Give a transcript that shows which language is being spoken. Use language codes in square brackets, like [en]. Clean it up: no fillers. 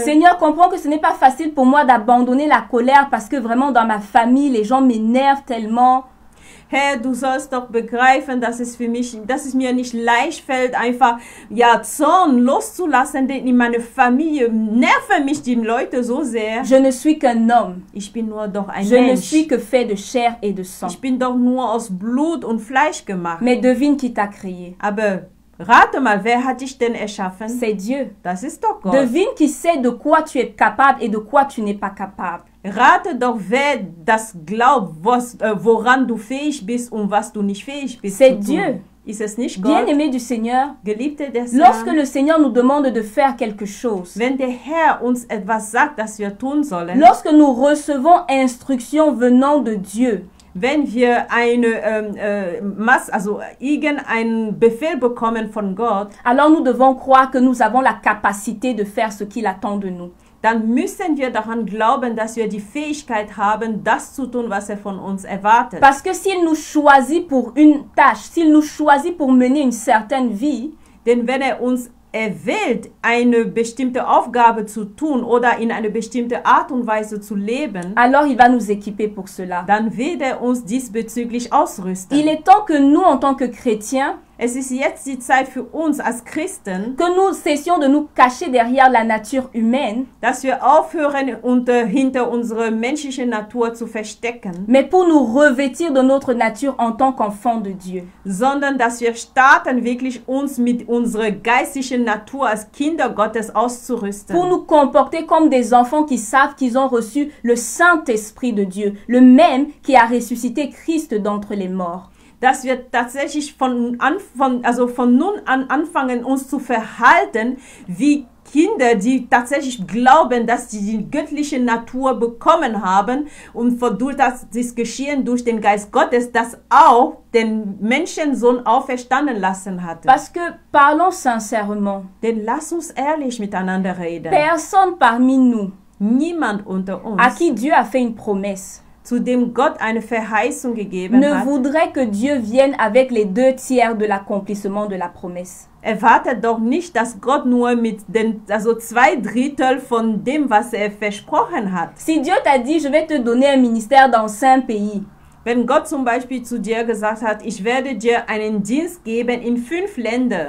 [fr] Seigneur, comprends que ce n'est pas facile pour moi d'abandonner la colère parce que vraiment dans ma famille, les gens m'énervent tellement. [de] Herr, du sollst doch begreifen, dass es mir nicht leicht fällt, einfach ja Zorn loszulassen, denn in meiner Familie nerven mich die Leute so sehr. [fr] Je ne suis qu'un homme. [de] Ich bin nur doch ein [fr] Je [de] Mensch. [fr] Ne suis que fait de chair et de sang. [de] Ich bin doch nur aus Blut und Fleisch gemacht. [fr] Mais devine qui t'a créé. [de] Aber rate mal, wer hat dich denn erschaffen? [fr] C'est Dieu. [de] Das ist doch Gott. [fr] Devine qui sait de quoi tu es capable et de quoi tu n'es pas capable. [de] Rate doch, wer das glaubt, woran du fähig bist und was du nicht fähig bist. [fr] C'est Dieu. [de] Ist es nicht [fr] Gott? Bien-aimé du Seigneur, [de] geliebte des Herrn, [fr] lorsque le Seigneur nous demande de faire quelque chose, [de] wenn der Herr uns etwas sagt, das wir tun sollen, [fr] lorsque nous recevons instruction venant de Dieu, [de] wenn wir eine also irgendeinen Befehl bekommen von Gott, [fr] alors nous devons croire que nous avons la capacité de faire ce qu'il attend de nous. [de] Dann müssen wir daran glauben, dass wir die Fähigkeit haben, das zu tun, was er von uns erwartet. [fr] Parce que s'il nous choisit pour une tâche, s'il nous choisit pour mener une certaine vie, [de] denn wenn er uns er wählt, eine bestimmte Aufgabe zu tun oder in eine bestimmte Art und Weise zu leben, [fr] alors il va nous équiper pour cela. [de] Dann wird er uns diesbezüglich ausrüsten. [fr] Il est temps que nous, en tant que chrétiens, [de] es ist jetzt die Zeit für uns als Christen, [fr] que nous cessions de nous cacher derrière la nature humaine, [de] dass wir aufhören, hinter unsere menschliche Natur zu verstecken, [fr] mais pour nous revêtir de notre nature en tant qu'enfants de Dieu, [de] sondern dass wir starten, wirklich uns mit unserer geistlichen Natur als Kinder Gottes auszurüsten, [fr] pour nous comporter comme des enfants qui savent qu'ils ont reçu le Saint-Esprit de Dieu, le même qui a ressuscité Christ d'entre les morts. [de] Dass wir tatsächlich von nun an anfangen, uns zu verhalten wie Kinder, die tatsächlich glauben, dass sie die göttliche Natur bekommen haben und durch das Geschehen durch den Geist Gottes, das auch den Menschensohn auferstanden lassen hat. [fr] Parce que parlons sincèrement. [de] Denn lass uns ehrlich miteinander reden. [fr] Personne parmi nous, [de] niemand unter uns, [fr] à qui Dieu a fait une promesse, [de] zu dem Gott eine Verheißung gegeben [fr] ne [de] hat, [fr] voudrait que Dieu vienne avec les deux tiers de l'accomplissement de la promesse. [de] Erwartet doch nicht, dass Gott nur mit den also zwei Drittel von dem, was er versprochen hat. [fr] Si Dieu t'a dit, je vais te donner un ministère dans cinq pays. [de] Wenn Gott zum Beispiel zu dir gesagt hat, ich werde dir einen Dienst geben in fünf Länder,